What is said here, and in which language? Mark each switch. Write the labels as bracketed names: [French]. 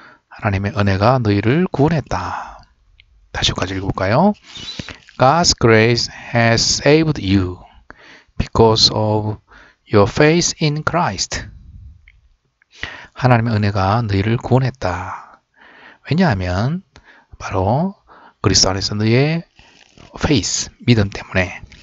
[Korean] 하나님의 은혜가 너희를 구원했다. 다시 한번 읽어볼까요? [English] God's grace has saved you because of your faith in Christ. [Korean] 하나님의 은혜가 너희를 구원했다. 왜냐하면 바로 그리스도 안에서 너희의 faith, 믿음 때문에.